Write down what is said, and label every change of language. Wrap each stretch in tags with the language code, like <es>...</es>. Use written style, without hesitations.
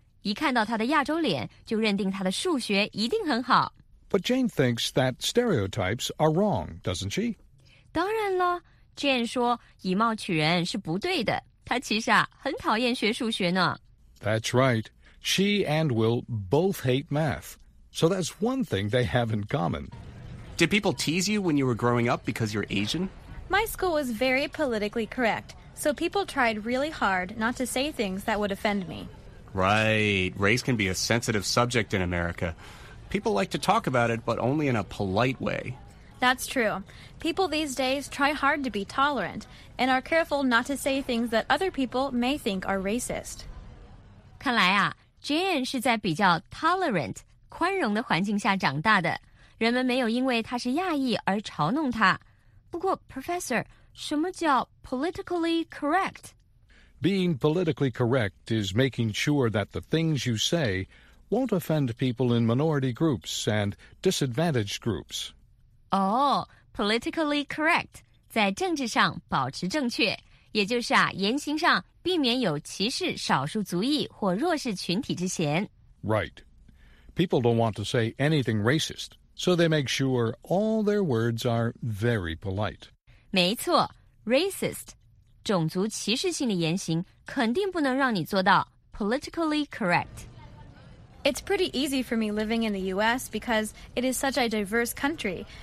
<zh>一看到他的亚洲脸，就认定他的数学一定很好。</zh> <en>But Jane thinks that stereotypes are wrong, doesn't she?</en> <zh>当然了 ,Jane 说以貌取人是不对的。她其实啊很讨厌学数学呢。</zh> <en>That's right. She and Will both hate math. So that's one thing they have in common. Did people tease you when you were growing up because you're Asian? My school was very politically correct, so people tried really hard not to say things that would offend me. Right. Race can be a sensitive subject in America. People like to talk about it, but only in a polite way. That's true. People these days try hard to be tolerant and are careful not to say things that other people may think are racist.</en> <zh>看来啊 ,Jane 是在比较 tolerant, 宽容的环境下长大的。人们没有因为她是亚裔而嘲弄她。不过 ,Professor, 什么叫 politically correct?</zh> <en>Being politically correct is making sure that the things you say... won't offend people in minority groups and disadvantaged groups. Oh, politically correct.</en> <zh>在政治上保持正确，也就是啊，言行上避免有歧视少数族裔或弱势群体之嫌。</zh> <en>Right. People don't want to say anything racist, so they make sure all their words are very polite.</en> <zh>没错 ,racist, 种族歧视性的言行肯定不能让你做到 politically correct.</zh> <en>It's pretty easy for me living in the U.S. because it is such a diverse country.</en>